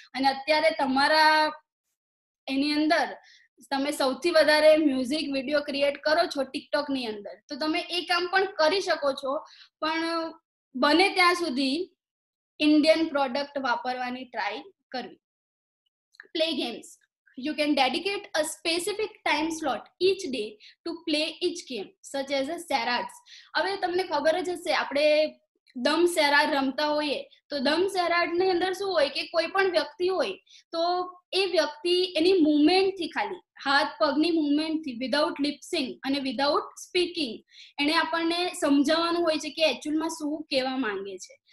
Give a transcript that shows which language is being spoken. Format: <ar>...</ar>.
<gu>અને અત્યારે તમારા એની અંદર તમે સૌથી વધારે મ્યુઝિક વિડીયો ક્રિએટ કરો છો ટિકટોકની અંદર, તો તમે એ કામ પણ કરી શકો છો. પણ બને ત્યાં સુધી ઇન્ડિયન પ્રોડક્ટ વાપરવાની ટ્રાય કરવી.</gu> <en>Play games. You can dedicate a specific time slot each day to play each game, such as a charades.</en> <gu>હવે તમને ખબર જ હશે આપણે દમ સેરાડ રમતા હોઈએ, તો દમ સેરાડ ની અંદર શું હોય કે કોઈ પણ વ્યક્તિ હોય તો એ વ્યક્તિ એની મુવમેન્ટ થી, ખાલી હાથ પગની મુવમેન્ટ થી,</gu> <en>without lip syncing</en> <gu>અને</gu> <en>without speaking</en> <gu>એને આપણને સમજાવવાનું હોય છે કે એક્ચ્યુઅલમાં શું કહેવા માંગે છે.</gu>